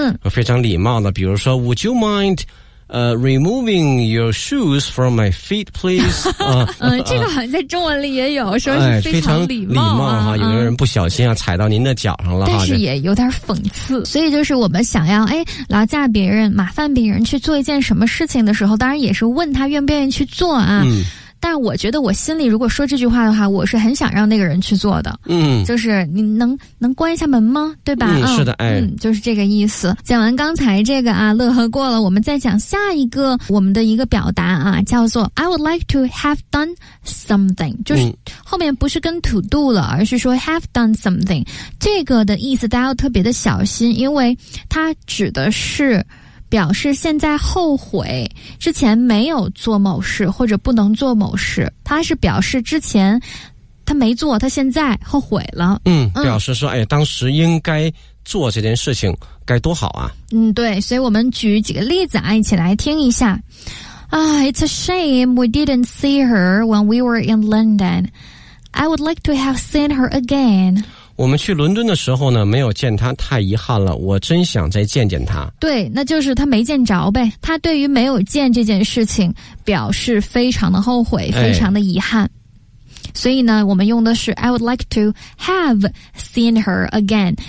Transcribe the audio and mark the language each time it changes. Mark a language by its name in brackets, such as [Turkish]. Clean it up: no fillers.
[Chinese] 非常礼貌的，比如说 [English] Would you mindremoving your shoes from my feet, please. [Chinese] 这个好像在中文里也有，说是非常礼貌哈、啊。有的人不小心啊，踩到您的脚上了，但是也有点讽刺。所以就是我们想要劳驾别人、麻烦别人去做一件什么事情的时候，当然也是问他愿不愿意去做啊。但我觉得我心里如果说这句话的话，我是很想让那个人去做的。嗯，就是你能关一下门吗？对吧？嗯，是的，哎，嗯，就是这个意思。讲完刚才这个啊，乐呵过了，我们再讲下一个我们的一个表达啊，叫做 [English] I would like to have done something， [Chinese] 就是后面不是跟 [English] to do [Chinese] 了，而是说 [English] have done something。 [Chinese] 这个的意思大家要特别的小心，因为它指的是。表示现在后悔之前没有做某事或者不能做某事，他是表示之前他没做，他现在后悔了。嗯，表示说，哎，当时应该做这件事情该多好啊。嗯，对，所以我们举几个例子啊，一起来听一下。 [English] It's a shame we didn't see her when we were in London. I would like to have seen her again. [Chinese] 我们去伦敦的时候呢，没有见他，太遗憾了，我真想再见见他。对，那就是他没见着呗。他对于没有见这件事情表示非常的后悔，非常的遗憾。所以呢，我们用的是 [English] I would like to have seen her again。